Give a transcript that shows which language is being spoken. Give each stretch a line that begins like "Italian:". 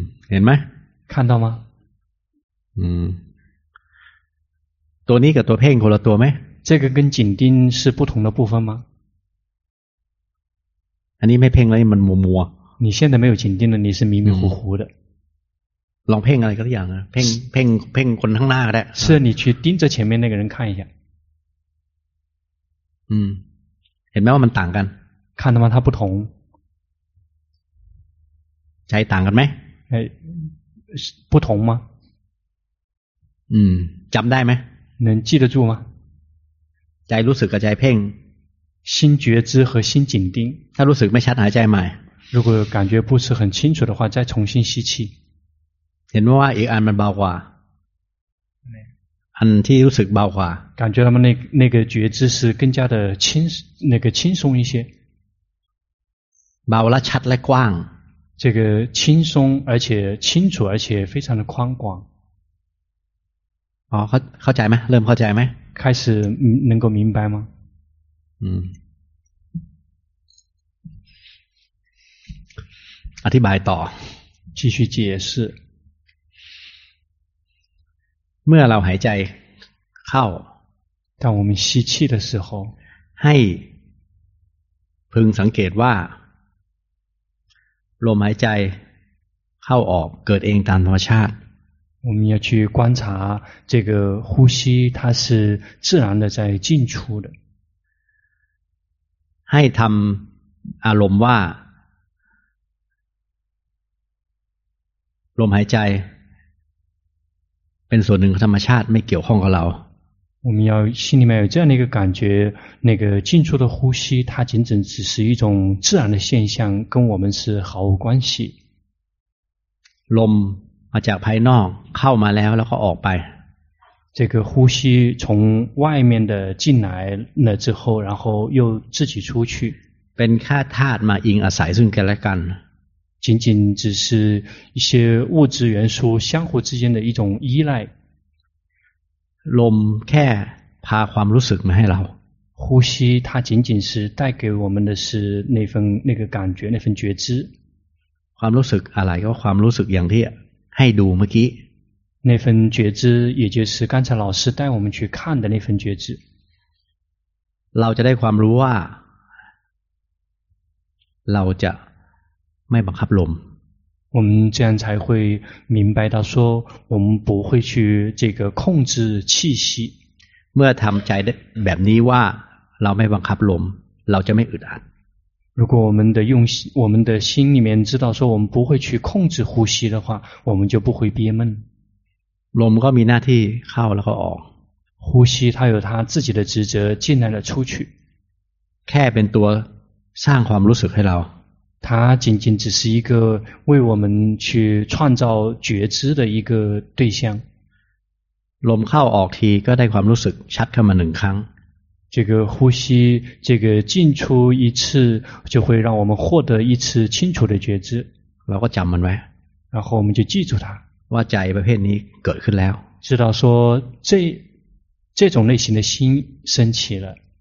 Thai: เห็นไหม
Chinese: 看到吗
Thai: ตัวนี้กับตัวเพ่งคนละตัวไหม
Chinese: 这个跟紧盯是不同的部分吗
Thai: อันนี้ไม่เพ่งแล้วมันมัวมัว
Chinese: 你现在没有紧盯了你是迷迷糊糊的
Thai: ลองเพ่งอะไรก็ได้อย่างนะเพ่งคนข้างหน้าก็ได้
Chinese: 是你去盯着前面那个人看一下
Thai: เห็นไหมว่ามันต่างกัน
Chinese: 看到吗它不同
Thai: ใจต่างกันไหม
Chinese: 不同吗
Thai: จำได้ไหม
Chinese: 能记得住吗
Thai: ใจรู้สึกกับใจเพ่ง
Chinese: 心觉知和心紧盯
Thai: ถ้ารู้สึกไม่ชัดหายใจใหม่
Chinese: 如果感觉不是很清楚的话再重新吸气
Thai: เห็นว่าอีกอันมันเบากว่าอันที่รู้สึกเบากว่า
Chinese: 感觉他们那个觉知是更加的轻那个轻松一些
Thai: เบาและชัดและกว้าง
Chinese: 这个轻松而且清楚而且非常的宽广
Thai: เข้าใจไหมเริ่มเข้าใจไหม
Chinese: 开始能够明白吗
Thai: อธิบายต่อ
Chinese: 继续解释
Thai: เมื่อเราหายใจเข้า
Chinese: 当我们吸气的时候
Thai: ให้พึงสังเกตว่าลมหายใจเข้าออกเกิดเองตามธรรมชาติ
Chinese: 我们要去观察这个呼吸它是自然的在进出的
Thai: ให้ทำอารมณ์ว่าลมหายใจเป็นส่วนหนึ่งของธรรมชาติไม่เกี่ยวข้องกับเรา
Chinese: 我们要心里面有这样的一个感觉那个进出的呼吸它仅仅只是一种自然的现象跟我们是毫无关系
Thai: ลมมาจากภายนอกเข้ามาแล้วแล้วก็ออกไป
Chinese: 这个呼吸从外面的进来了之后然后又自己出去
Thai: เป็นแค่ธาตุมาอิงอาศัยซึ่งกันและกัน
Chinese: 仅仅只是一些物质元素相互之间的一种依赖。
Thai: ลมแค่พาความรู้สึกมาให้เรา
Chinese: 呼吸它仅仅是带给我们的是那份那个感觉那份觉知。
Thai: ความรู้สึกอะไรก็ความรู้สึกอย่างที่ให้ดูเมื่อกี้
Chinese: 那份觉知也就是刚才老师带我们去看的那份觉知。
Thai: เราจะได้ความรู้ว่าเราจะไม่บังคับลม
Chinese: 我们这样才会明白到说我们不会去这个控制气息
Thai: เมื่อทำใจแบบนี้ว่าเราไม่บังคับลมเราจะไม่อึดอัด
Chinese: 如果我们的心里面知道说我们不会去控制呼吸的话我们就不会憋闷
Thai: ลมก็มีหน้าที่เข้าแล้วก็ออก
Chinese: 呼吸它有它自己的职责进来了出去
Thai: แค่เป็นตัวสร้างความรู้สึกให้เรา
Chinese: 它仅仅只是一个为我们去创造觉知的一个对象。
Thai: ลมเข้าออกทีก็ได้ความรู้สึกชัดขึ้นมาหนึ่งครั้ง
Chinese: 这个呼吸这个进出一次就会让我们获得一次清楚的觉知。
Thai: เราก็จำมันไว้
Chinese: 然后我们就记住它。
Thai: ว่าใจประเภทนี้เกิดขึ้นแล้ว
Chinese: 知道说这种类型的心升起了。